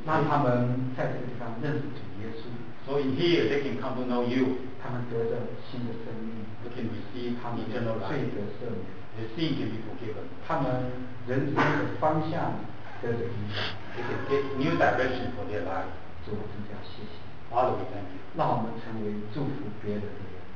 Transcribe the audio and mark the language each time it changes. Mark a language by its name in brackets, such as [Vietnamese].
[Chinese] 让他们在这个地方认识主耶稣。 [English] So in here they can come to know you. [Chinese] 他们得着新的生命。 [English] They can receive [Chinese] 他们的罪得赦免。 [English] Their sin can be forgiven. [Chinese] 他们人生的方向得着引导。 [English] They can get new direction for their life. [Chinese] 主，我真的要谢谢。 [English] Father, we thank you. [Chinese] 让我们成为祝福别人的人。